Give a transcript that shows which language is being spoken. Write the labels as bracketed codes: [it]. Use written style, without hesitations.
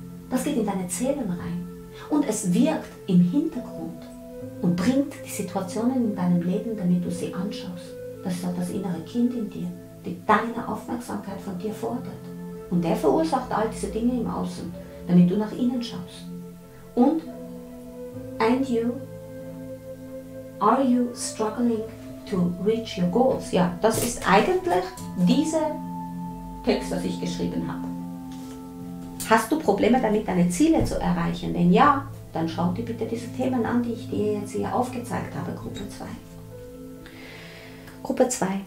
[de] Das geht in deine Zellen rein. Und es wirkt im Hintergrund und bringt die Situationen in deinem Leben, damit du sie anschaust. Das ist auch das innere Kind in dir, die deine Aufmerksamkeit von dir fordert. Und der verursacht all diese Dinge im Außen, damit du nach innen schaust. Und, [en] and you, are you struggling to reach your goals? [de] Ja, das ist eigentlich diese Text, was ich geschrieben habe. Hast du Probleme damit, deine Ziele zu erreichen? Wenn ja, dann schau dir bitte diese Themen an, die ich dir jetzt hier aufgezeigt habe, Gruppe 2. Gruppe 2.